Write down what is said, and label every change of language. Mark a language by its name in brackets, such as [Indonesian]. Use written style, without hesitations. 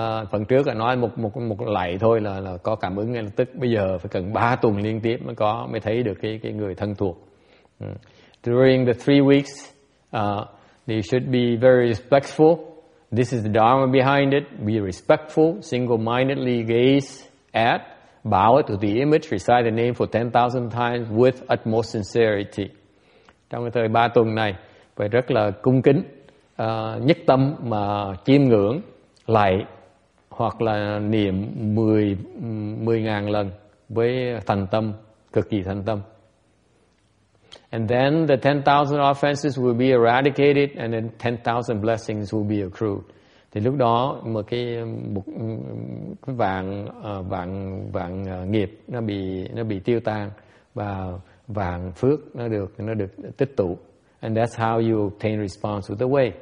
[Vietnamese] Phần trước là nói một lạy thôi là có cảm ứng ngay lập tức. Bây giờ phải cần 3 tuần liên tiếp mới thấy được cái người thân thuộc. [English] During the 3 weeks, they should be very respectful. This is the Dharma behind it. Be respectful, single-mindedly gaze at, bow to the image, recite the name for 10,000 times with utmost sincerity. [Vietnamese] Trong cái thời 3 tuần này, phải rất là cung kính, nhất tâm mà chiêm ngưỡng, lạy hoặc là niệm 10,000 lần với thành tâm, cực kỳ thành tâm. [English] And then the 10,000 offenses will be eradicated and then 10,000 blessings will be accrued. [Vietnamese] Thì lúc đó một cái vạn nghiệp nó bị tiêu tan và vạn phước nó được tích tụ. [English] And that's how you obtain response with the way.